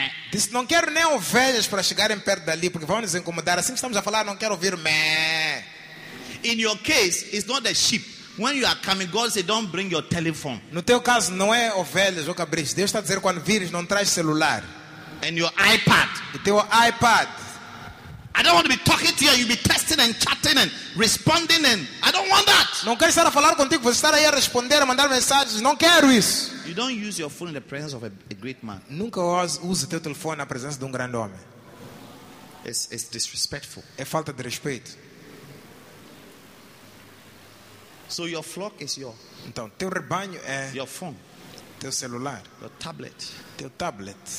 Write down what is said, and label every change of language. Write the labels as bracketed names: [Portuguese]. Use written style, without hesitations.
[Portuguese] Disse, não quero nem ovelhas para chegarem perto dali porque vão nos incomodar. Assim que estamos a falar, não quero ouvir. [English] In your case, it's not the sheep. When you are coming, God said, "Don't bring your telephone." [Portuguese] No teu caso, não é ovelhas ou cabritos. Deus está dizendo quando vires, não traz celular. [English] And your iPad. [Portuguese] E teu iPad. [English] I don't want to be talking to you. You'll be texting and chatting and responding. And I don't want that. [Portuguese] Não quero estar a falar contigo. Vou estar aí a responder, a mandar mensagens. Não quero isso. [English] You don't use your phone in the presence of a great man. [Portuguese] Nunca use teu telefone na presença de grande homem. [English] It's disrespectful. [Portuguese] É falta de respeito. [English] So your flock is your. [Portuguese] Então, teu rebanho é. [English] Your phone. [Portuguese] Teu celular. [English] Your tablet. [Portuguese] Teu tablet.